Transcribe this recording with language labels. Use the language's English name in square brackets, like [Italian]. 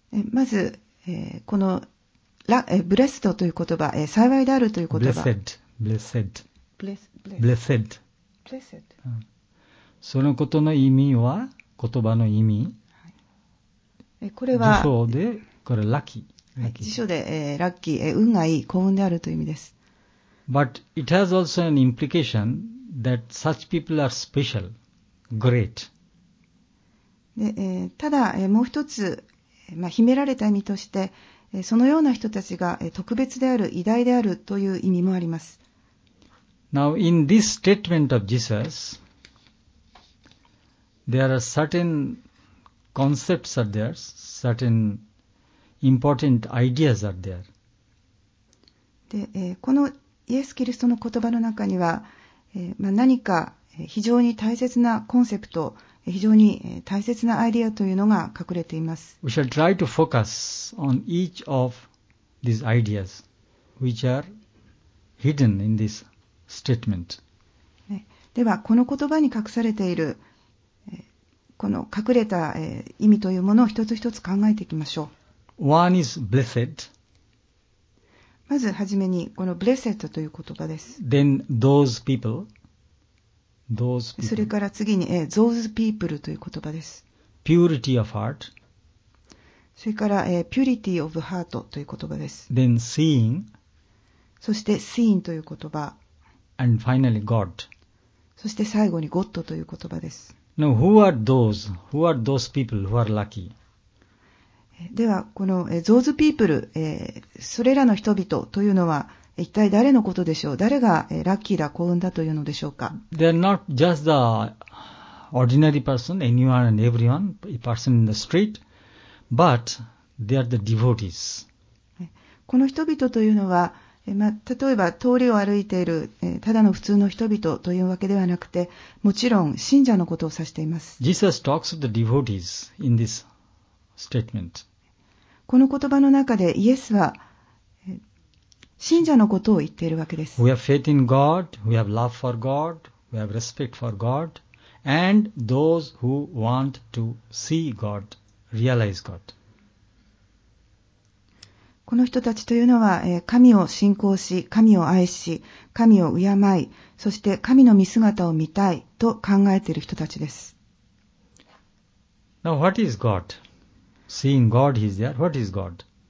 [Japanese] まず、このblessed という言葉、幸いであるという言葉。 [English] Blessed. [Japanese] そのことの意味は、言葉の意味、はい、これは辞書で、これは lucky、辞書で、ラッキー、運がいい、幸運であるという意味です。 [English] But it has also an implication that such people are special, great. [Japanese] で、ただ、もう一つ、秘められた意味として、そのような人たちが、特別である、偉大であるという意味もあります。 [English] Now, in this statement of Jesus, there are certain concepts are there, certain important ideas are there. [Japanese] で、このイエス・キリストの言葉の中には、何か非常に大切なコンセプト、非常に大切なアイデアというのが隠れています。 [English] We shall try to focus on each of these ideas, which are hidden in this statement. [Japanese] では、この言葉に隠されている、この隠れた意味というものを一つ一つ考えていきましょう。 [English] One is blessed. [Japanese] まずはじめに、この blessed という言葉です。 [English] Then those people. Those people. [Japanese] それから次に、those people という言葉です。 [English] Purity of heart. [Japanese] それから、purity of heart という言葉です。 [English] Then seeing. [Japanese] そして seeing という言葉。 [English] And finally God. [Japanese] そして最後に God という言葉です。 [English] Now who are those? Who are those people who are lucky? [Japanese] では、この、those people、それらの人々というのは、一体誰のことでしょう。誰がラッキーだ、幸運だというのでしょうか。 [English] They are not just the ordinary person, anyone and everyone, a person in the street, but they are the devotees. [Japanese] この人々というのは、例えば通りを歩いているただの普通の人々というわけではなくて、もちろん信者のことを指しています。 [English] Jesus talks of the devotees in this statement. [Japanese] この言葉の中でイエスは信者のことを言っているわけです。 [English] We have faith in God, we have love for God, we have respect for God, and those who want to see God, realize God. [Japanese] この人たちというのは、神を信仰し、神を愛し、神を敬い、そして神の見姿を見たいと考えている人たちです。 [English] Now, what is God? Seeing God is there, what is God?